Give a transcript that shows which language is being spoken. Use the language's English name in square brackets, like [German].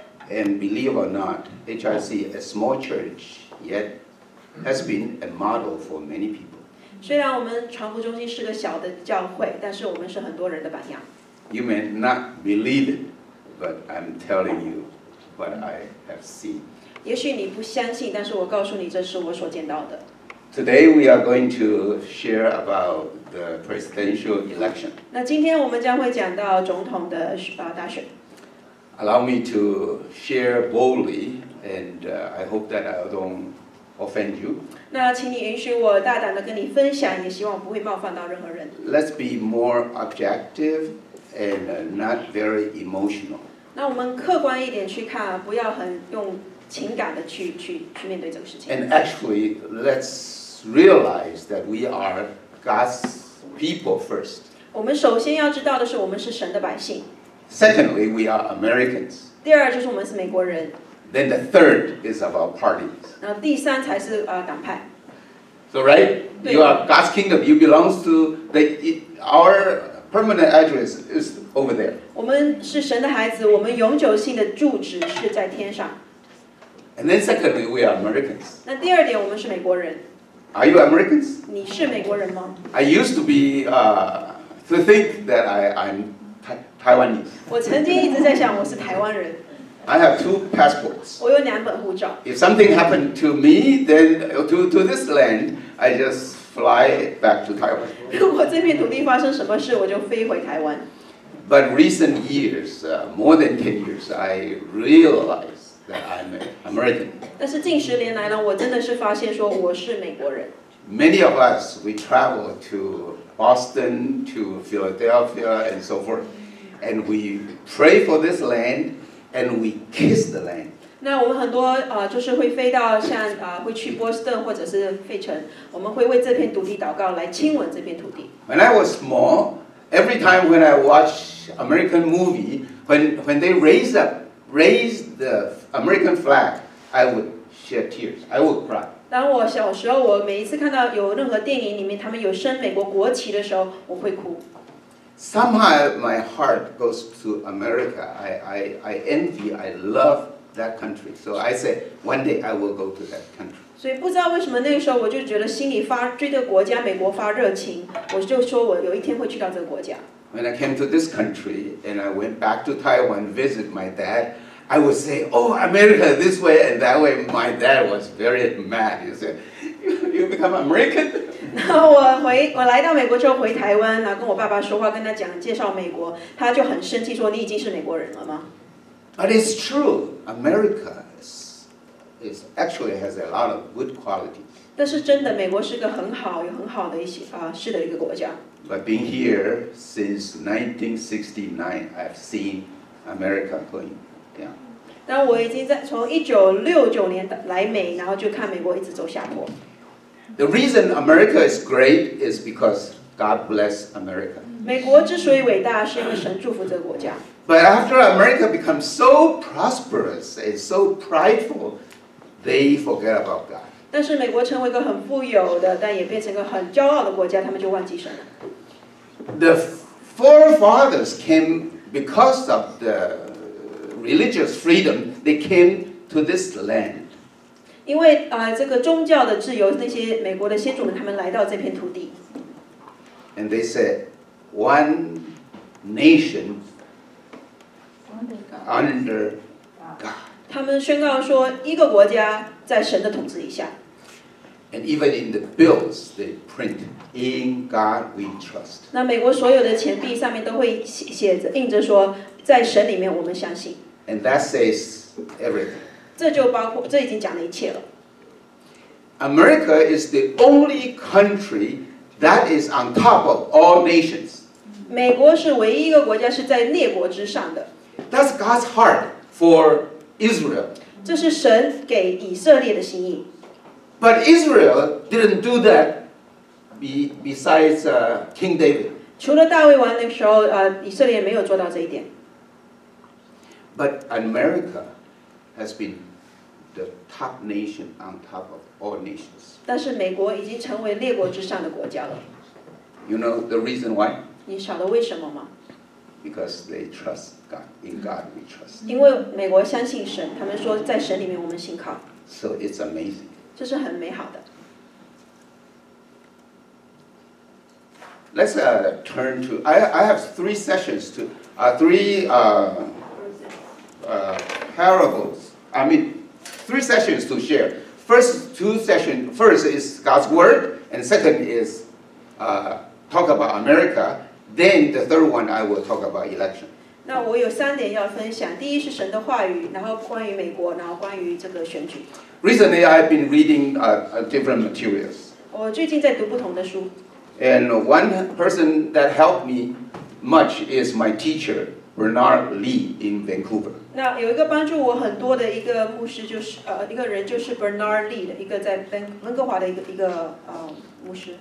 [English] And believe or not, HIC, a small church, yet has been a model for many people. [Chinese] 虽然我们传福中心是个小的教会，但是我们是很多人的榜样。 [English] You may not believe it, but I'm telling you what I have seen. [Chinese] 也许你不相信，但是我告诉你，这是我所见到的。 [English] Today we are going to share about the presidential election. [Chinese] 那今天我们将会讲到总统的大选。 [English] Allow me to share boldly, and I hope that I don't offend you. [Chinese] 那请你允许我大胆的跟你分享，也希望不会冒犯到任何人。 [English] Let's be more objective and not very emotional. [Chinese] 那我们客观一点去看，不要很用情感的去面对这个事情。 [English] And actually, let's realize that we are God's people first. [Chinese] 我们首先要知道的是，我们是神的百姓。 [English] Secondly, we are Americans. [Chinese] 第二就是我们是美国人。 [English] Then the third is about parties. [Chinese] 那第三才是党派。 [English] So right, you are God's kingdom. You belong to the our permanent address is over there. [Chinese] 我们是神的孩子，我们永久性的住址是在天上。 [English] And then secondly, we are Americans. [Chinese] 那第二点，我们是美国人。 [English] Are you Americans? [Chinese] 你是美国人吗 [English] ？I used to be to think that I'm. Taiwanese. I have two passports. [Chinese] 我有两本护照。 [English] If something happened to me, then to this land, I just fly back to Taiwan. [Chinese] 如果这片土地发生什么事，我就飞回台湾。 [English] But recent years, more than 10 years, I realize that I'm American. [Chinese] 但是近十年来呢，我真的是发现说我是美国人。 [English] Many of us, we travel to Boston, to Philadelphia, and so forth. And we pray for this land, and we kiss the land. [Chinese] 那我们很多就是会飞到像会去波士顿或者是费城，我们会为这片土地祷告，来亲吻这片土地。 [English] When I was small, every time when I watch American movie, when they raise the American flag, I would shed tears. I would cry. [Chinese] 当我小时候，我每一次看到有任何电影里面他们有升美国国旗的时候，我会哭。 [English] Somehow my heart goes to America. I envy, I love that country. So I say, one day I will go to that country. [Chinese] 所以不知道为什么那个时候我就觉得心里发对这个国家美国发热情，我就说我有一天会去到这个国家。 [English] When I came to this country and I went back to Taiwan visit my dad, I would say, "Oh, America this way and that way." My dad was very mad. He said, "You become American?" [Chinese] 然后我来到美国之后回台湾，然后跟我爸爸说话，跟他讲介绍美国，他就很生气说：“你已经是美国人了吗 [English] ？”But it's true, America is actually has a lot of good qualities. [Chinese] 但是真的，美国是个很好有很好的一些是的一个国家。 [English] But being here since 1969, I've seen America going down. [Chinese] 但我已经在从1969年来美，然后就看美国一直走下坡。 [English] The reason America is great is because God bless America. [Chinese] 美国之所以伟大，是因为神祝福这个国家。 [English] But after America becomes so prosperous and so prideful, they forget about God. [Chinese] 但是美国成为一个很富有的，但也变成一个很骄傲的国家，他们就忘记神了。 [English] The forefathers came because of the religious freedom. They came to this land. [Chinese] 因为这个宗教的自由，那些美国的先祖们他们来到这片土地。 [English] And they said, one nation under God. [Chinese] 他们宣告说，一个国家在神的统治以下。 [English] And even in the bills they print, in God we trust. [Chinese] 那美国所有的钱币上面都会写着印着说，在神里面我们相信。 [English] And that says everything. [Chinese] 这已经讲了一切了。 [English] America is the only country that is on top of all nations. [Chinese] 美国是唯一一个国家是在列国之上的。 [English] That's God's heart for Israel. [Chinese] 这是神给以色列的心意。 [English] But Israel didn't do that besides King David. [Chinese] 除了大卫王那个时候，以色列没有做到这一点。 [English] But America has been. The top nation on top of all nations. [Chinese] 但是美国已经成为列国之上的国家了。 [English] You know the reason why? [Chinese] 你晓得为什么吗 [English] Because they trust God. In God we trust. [Chinese] 因为美国相信神，他们说在神里面我们信靠。 [English] So it's amazing. [Chinese] 这是很美好的。 [English] Let's turn to I have three sessions to parables. I mean, three sessions to share. First two sessions. First is God's word, and second is talk about America. Then the third one I will talk about election. [Chinese] 那我有三点要分享。第一是神的话语，然后关于美国，然后关于这个选举。 [English] Recently, I've been reading different materials. [Chinese] 我最近在读不同的书。 [English] And one person that helped me much is my teacher, Bernard Lee in Vancouver. [Chinese] 那有一个帮助我很多的一个牧师，就是一个人，就是 Bernard Lee 的一个在温哥华的一个牧师。